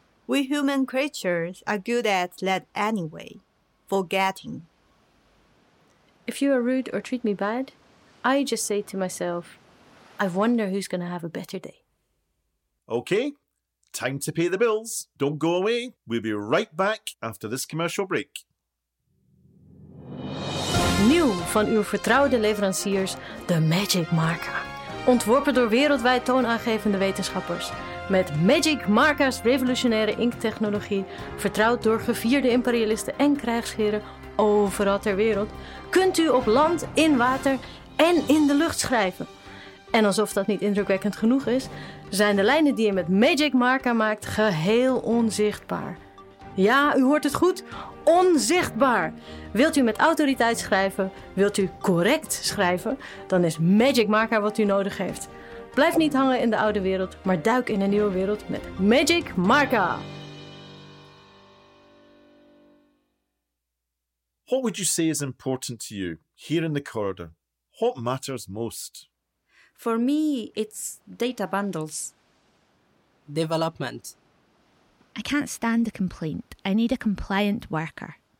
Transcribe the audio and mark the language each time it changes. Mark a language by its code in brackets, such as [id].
[en] We human creatures are good at that anyway, forgetting. If you are rude or treat me bad, I just say to myself, I wonder who's going to have a better day. Okay. Time to pay the bills. Don't go away. We'll be right back after this commercial break. [nl] Nieuw van uw vertrouwde leveranciers, de Magic Marca. Ontworpen door wereldwijd toonaangevende wetenschappers. Met Magic Marca's revolutionaire inktechnologie, vertrouwd door gevierde imperialisten en krijgsheren overal ter wereld, kunt u op land, in water en in de lucht schrijven. En alsof dat niet indrukwekkend genoeg is, zijn de lijnen die je met Magic Marca maakt geheel onzichtbaar. Ja, u hoort het goed, onzichtbaar. Wilt u met autoriteit schrijven, wilt u correct schrijven, dan is Magic Marca wat u nodig heeft. Blijf niet hangen in de oude wereld, maar duik in een nieuwe wereld met Magic Marca. [en] What would you say is important to you, here in the corridor? What matters most? For me, it's data bundles. Development. I can't stand a complaint. I need a compliant worker.